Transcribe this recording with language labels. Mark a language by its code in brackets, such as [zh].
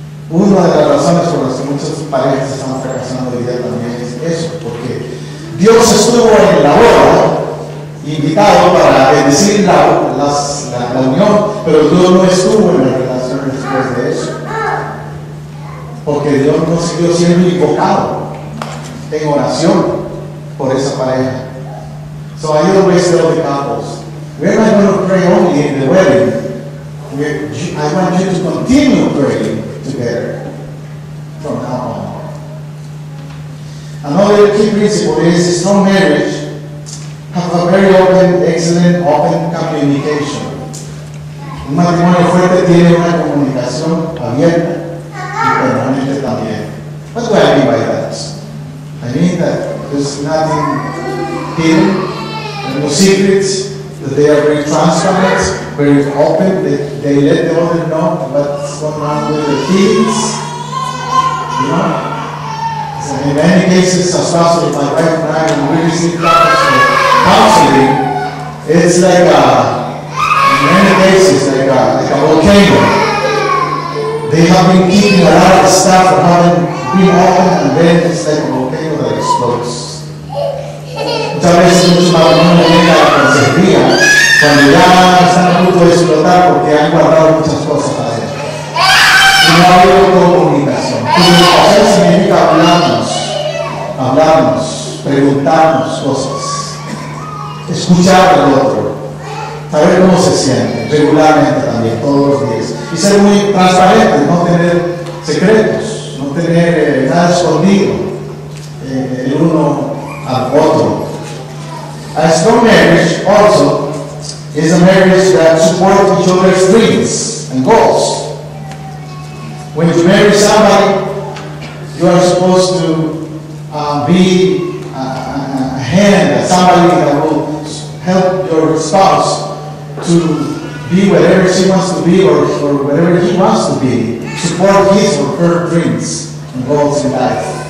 [es] Una de las razones por las que muchas parejas están fracasando hoy día también es eso, porque Dios estuvo en la boda, invitado para bendecir la unión, pero Dios no estuvo en la relación después de eso, porque Dios no siguió siendo invocado en oración por esa pareja. [en] So I always tell the couples, we're not going to pray only in the wedding, I want you to continue praying together from now on. Another key principle is a strong marriage have a very open, excellent, open communication. [es] Un matrimonio fuerte tiene una comunicación abierta y permanente también. [en] What do I mean by that? I mean that there's nothing hidden, there's no secrets, that they are very transparent, very open, that they let the other know what's going on with the kids. You know? In many cases, as fast as my wife and I, when we receive couples for counseling, it's like in many cases, like a volcano. They have been keeping a lot of stuff from having been open, and then it's like a volcano that explodes. [es] Muchas veces muchos matrimonios llegan a la consejería cuando ya están a punto de explotar porque han guardado muchas cosas para ellos. Y no ha habido comunicación. Comunicación significa hablarnos, preguntarnos cosas, escuchar al otro, saber cómo se siente, regularmente también, todos los días. Y ser muy transparente, no tener secretos, no tener nada escondido el uno al otro. [en] A strong marriage also is a marriage that supports each other's dreams and goals. When you marry somebody, you are supposed to be a hand, somebody that will help your spouse to be whatever she wants to be or whatever he wants to be, support his or her dreams and goals in life.